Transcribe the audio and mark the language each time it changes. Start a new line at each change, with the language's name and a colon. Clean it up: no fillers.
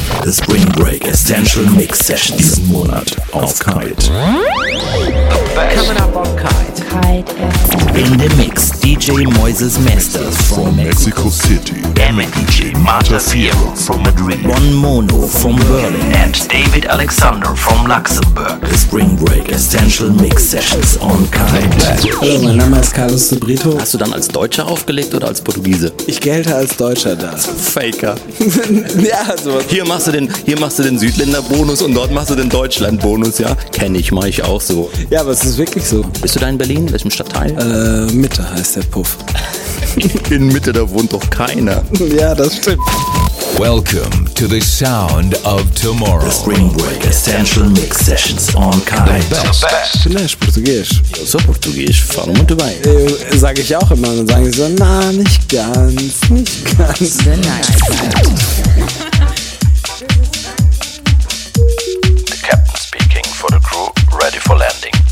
German: Spring Break Essential Mix Session diesen Monat auf Kite.
English: Coming up on Kite. Kite in the mix, DJ Moises Masters from Mexico City. Damn DJ Marta Fierro from Madrid. Ron Mono from Berlin. And David Alexander from Luxembourg. The Spring Break Essential Mix Sessions on Kite.
German: Hallo, mein Name ist Carlos de Brito. Hast du dann als Deutscher aufgelegt oder als Portugiese? Ich gelte als Deutscher da. Faker. Ja, also. Hier machst du den Südländer-Bonus und dort machst du den Deutschland-Bonus, ja? Kenn ich, mach ich auch so. Ja, aber es ist wirklich so. Bist du da in Berlin? In welchem Stadtteil? Mitte heißt der Puff. In Mitte, da wohnt doch keiner. Ja, das stimmt.
English: Welcome to the sound of tomorrow. The Spring Break Essential Mix Sessions on Kite. The best.
German: Vielleicht Portugiesisch. So Portugiesisch, von und dabei. Sag ich auch immer. Dann sagen sie so, na, nicht ganz, nicht ganz.
English: The night. The captain speaking for the crew, ready for landing.